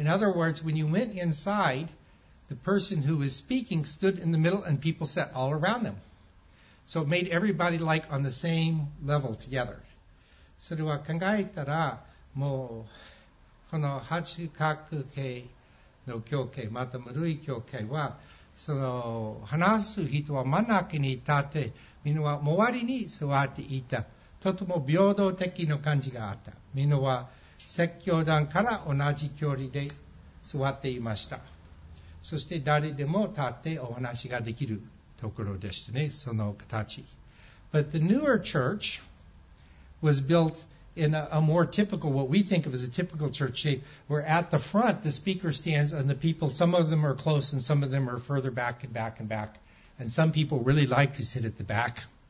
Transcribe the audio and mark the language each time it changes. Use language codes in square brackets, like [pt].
[en] In other words, when you went inside, the person who was speaking stood in the middle and people sat all around them. So it made everybody like on the same level together. [ja] それは考えたら、もうこの八角形の教会、また丸い教会は、その話す人は真ん中に立って、みんなは周りに座っていた。とても平等的な感じがあった。みんなは説教団から同じ距離で座っていました。そして誰でも立ってお話ができるところでしたね、その形。 [en] But the newer church was built in a more typical, what we think of as a typical church shape, where at the front the speaker stands and the people, some of them are close and some of them are further back and back and back. And some people really like to sit at the back.